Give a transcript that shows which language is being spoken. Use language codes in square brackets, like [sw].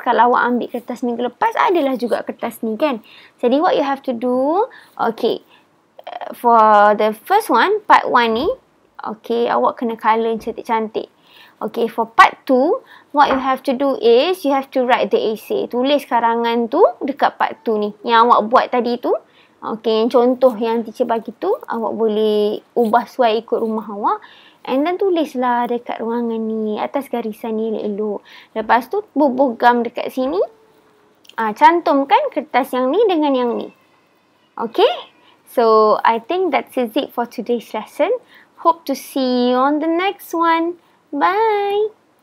[ms] Kalau awak ambil kertas minggu lepas, adalah juga kertas ni kan? [en] Jadi, what you have to do, okay, for the first one, part one ni, okay, [ms] awak kena colour yang cantik-cantik. [en] Okay, for part two, what you have to do is, you have to write the essay. [ms] Tulis karangan tu dekat part two ni. Yang awak buat tadi tu, okay, yang contoh yang teacher bagi tu, awak boleh ubah sesuai ikut rumah awak. And then tulislah dekat ruangan ni, atas garisan ni elok-elok. Lepas tu, bubuh gam dekat sini. Cantumkan kertas yang ni dengan yang ni. Okay? [en] So, I think that's it for today's lesson. Hope to see you on the next one. Bye!